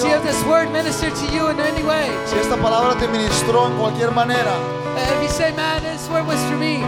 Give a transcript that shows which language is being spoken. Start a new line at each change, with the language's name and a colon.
English: See if this word ministered to you in any way.
Spanish: Si esta palabra te ministró en cualquier manera.
English: If you say, man, this word was for me.